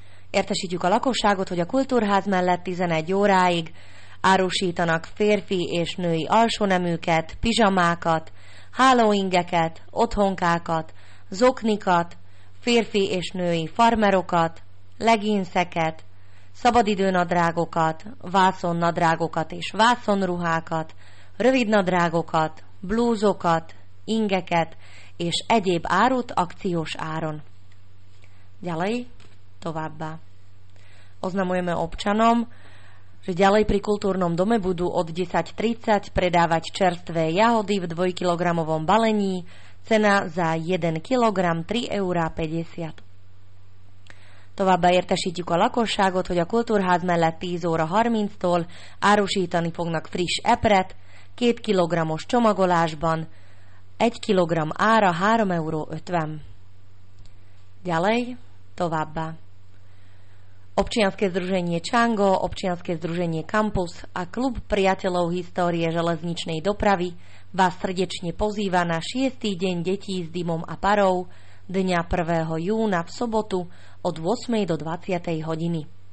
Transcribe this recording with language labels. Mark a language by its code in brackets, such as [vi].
[hu] Értesítjük a lakosságot, hogy a kultúrház mellett 11 óráig árusítanak férfi és női alsóneműket, pizsamákat, hálóingeket, otthonkákat, zoknikat, férfi és női farmerokat, leginszeket, szabadidőnadrágokat, vászonnadrágokat és vászonruhákat, rövidnadrágokat, blúzokat, ingeket és egyéb árut akciós áron. [sk] Ďalej továbbá. Oznamujeme občanom, že ďalej pri kultúrnom dome budú od 10.30 predávať čerstvé jahody v 2-kilogramovom balení, cena za 1 kg 3,50 €. [hu] Továbbá értesítjük a lakosságot, hogy a kultúrház mellett 10:30-tól árusítani fognak friss epret 2 kg-os csomagolásban, 1 kg ára 3,50 €. [sk] Ďalej továbbá. Občianske združenie Čango, Občianske združenie Campus a Klub priateľov histórie železničnej dopravy vás srdečne pozýva na 6. deň detí s dymom a parou dňa 1. júna v sobotu od 8. do 20. hodiny.